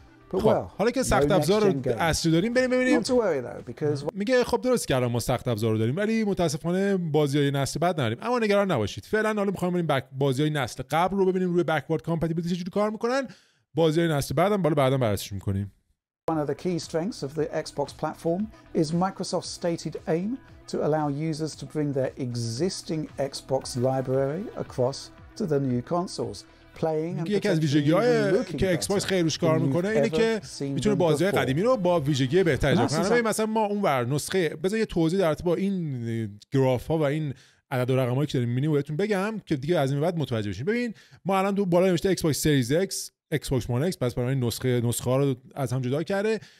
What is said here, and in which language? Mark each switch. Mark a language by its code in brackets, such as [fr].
[fa] خب حالا که سخت افزار اصلی داریم بریم ببینیم. میگه خب درست که الان ما سخت افزار رو داریم، ولی متاسفانه بازیای نسل بعد نداریم. اما نگران نباشید، فعلا حالا میخوایم بریم بازیای نسل قبل رو ببینیم روی بکورد کامپتیبیلیتی چه جوری کار میکنن. بازیای نسل بعدم بعدا بررسیش میکنیم. [en] One of the key strengths of the Xbox platform is Microsoft's stated aim to allow users to bring their existing Xbox library across to the new consoles. [fa] یکی از ویژگی‌های که اکس باکس خیلی روش کار میکنه اینه که میتونه بازی‌های قدیمی رو با ویژگی بهتر اجرا کنه. مثلا ما اون ور نسخه، بذار یه توضیح در ارتباط با این گراف ها و این عدد و رقم هایی که داریم میبینیم بهتون بگم که دیگه از این بعد متوجه بشین. ببین ما الان دو بالا نوشته اکس باکس سریز ایکس، اکس باکس وان ایکس، پس برای این نسخه ها رو از هم جدا کرده.